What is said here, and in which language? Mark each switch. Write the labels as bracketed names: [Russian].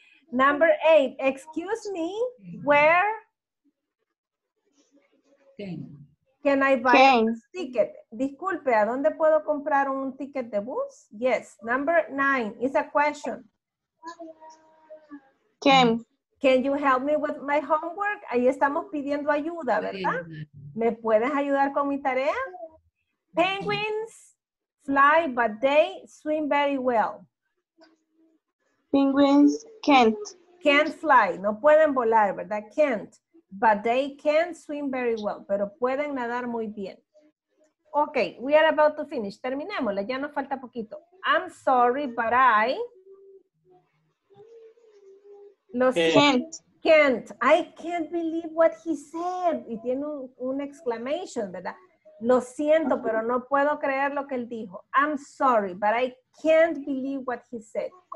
[English] Number eight, excuse me, where can I buy a ticket? [Spanish] Disculpe, ¿a dónde puedo comprar un ticket de bus? [English] Yes. Number nine is a question. Can you help me with my homework? [Spanish] Ahí estamos pidiendo ayuda, ¿verdad? ¿Me puedes ayudar con mi tarea? [English] Penguins fly, but they swim very well. Penguins can't. Can't fly. [Spanish] No pueden volar, ¿verdad? [English] Can't. But they can swim very well. [Spanish] Pero pueden nadar muy bien. [English] Okay, we are about to finish. [Spanish] Terminémosla. Ya nos falta poquito. [English] I'm sorry, but I... Can't. I can't believe what he said. [Spanish] Y tiene un exclamation, ¿verdad? Lo siento, pero no puedo creer lo que él dijo. [English] I'm sorry, but I can't believe what he said.